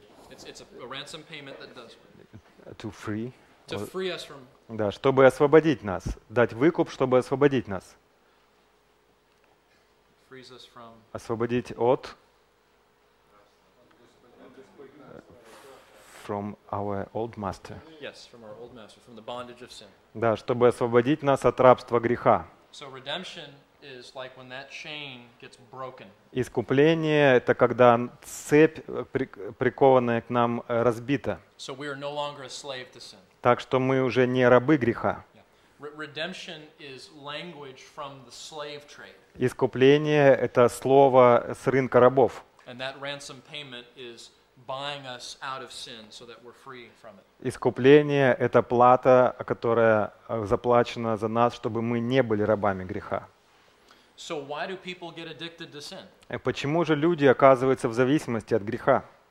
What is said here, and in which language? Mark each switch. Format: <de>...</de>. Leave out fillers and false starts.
<en>It's a ransom payment that does. To free. To free us from.</en> <ru>Да, чтобы освободить нас. Дать выкуп, чтобы освободить нас.</ru> <en>Frees us from.</en> <ru>Освободить от.</ru> <en>From our old master. Yes, from our old master, from the bondage of sin.</en> <ru>Да, чтобы освободить нас от рабства греха.</ru> <en>So redemption is like when that chain gets broken.</en> <ru>Искупление — это когда цепь, прикованная к нам, разбита.</ru> <en>So we are no longer a slave to sin.</en> <ru>Так что мы уже не рабы греха.</ru> <en>Yeah. Redemption is language from the slave trade.</en> <ru>Искупление — это слово с рынка рабов.</ru> <en>And that ransom payment is buying us out of sin so that we're free from it.</en> <ru>Искупление — это плата, которая заплачена за нас, чтобы мы не были рабами греха.</ru> <en>So why do people get addicted to sin?</en> <ru>Почему же люди оказываются в зависимости от греха?</ru>